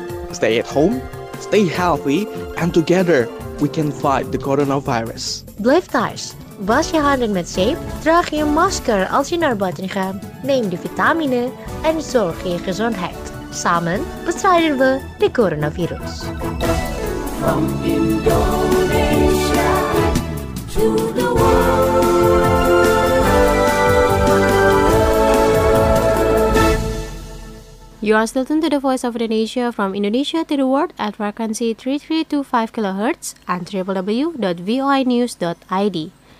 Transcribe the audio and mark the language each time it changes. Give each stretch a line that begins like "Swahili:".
English: Stay at home, stay healthy, and together we can fight the coronavirus.
Dutch: Blijf thuis, was je handen met zeep, draag je masker als je naar buiten gaat, neem de vitamine en zorg je gezondheid. Samen bestrijden we de coronavirus.
English: From Indonesia to the world. You are still tuned to the Voice of Indonesia from Indonesia to the World at frequency 3325 kHz and www.voinews.id.